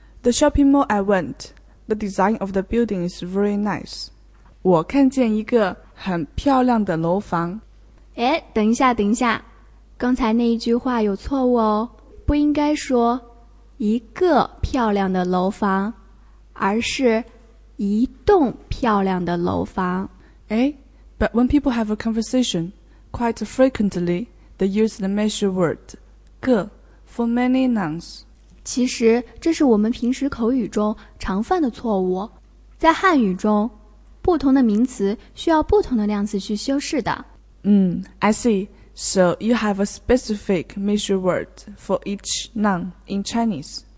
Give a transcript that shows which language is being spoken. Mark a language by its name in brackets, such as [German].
[English] The shopping mall I went, the design of the building is very nice. [Chinese] 我看见一个很漂亮的楼房。哎，等一下，刚才那一句话有错误哦，不应该说一个漂亮的楼房，而是一栋漂亮的楼房。 [English] 诶, but when people have a conversation, quite frequently, they use the measure word, 个, for many nouns. [Chinese] 其实这是我们平时口语中常犯的错误。在汉语中，不同的名词需要不同的量词去修饰的。 [English] I see. So you have a specific measure word for each noun in Chinese.